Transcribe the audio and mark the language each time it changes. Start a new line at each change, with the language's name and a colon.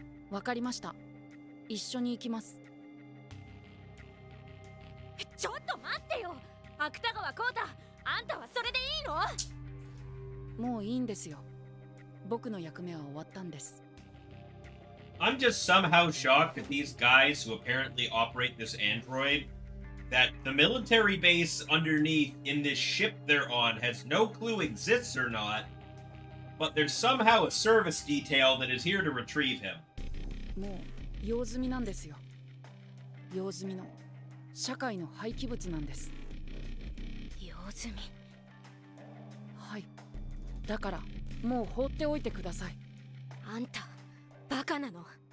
Japanese: わかりました。一緒に行きます。ちょっと待ってよ、芥川コータ、あんたはそれでいいの？もういいんですよ。僕の役目は終わったんです。
English: I'm just somehow shocked that these guys who apparently operate this android, that the military base underneath in this ship they're on has no clue exists or not, but there's somehow a service detail that is here to retrieve him.
Japanese: もう用済みなんですよ。用済みの社会の廃棄物なんです。用済み。はい。だからもう放っておいてください。あんた。バカなの。